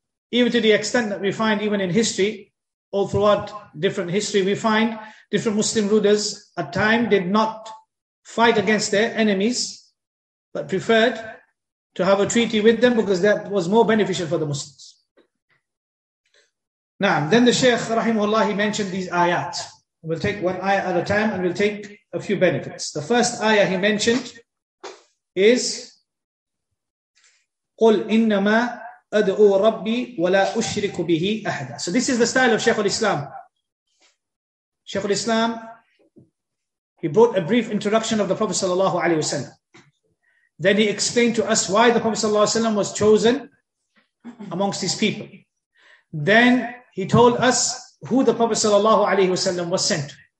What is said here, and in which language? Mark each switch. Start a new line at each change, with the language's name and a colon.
English: Even to the extent that we find, even in history, all throughout different history, we find different Muslim rulers at times did not fight against their enemies, but preferred to have a treaty with them because that was more beneficial for the Muslims. Now, then the Shaykh rahimahullah, he mentioned these ayat. We'll take one ayah at a time and we'll take a few benefits. The first ayah he mentioned is
Arabic: قُلْ إِنَّمَا أَدْعُوا رَبِّي وَلَا أُشْرِكُ بِهِ أَحْدًا.
English: So this is the style of Shaykh al-Islam. Shaykh al-Islam, he brought a brief introduction of the Prophet sallallahu alayhi wa sallam. Then he explained to us why the Prophet sallallahu alayhi wa sallam was chosen amongst his people. Then he told us who the Prophet sallallahu alayhi wa sallam was sent to.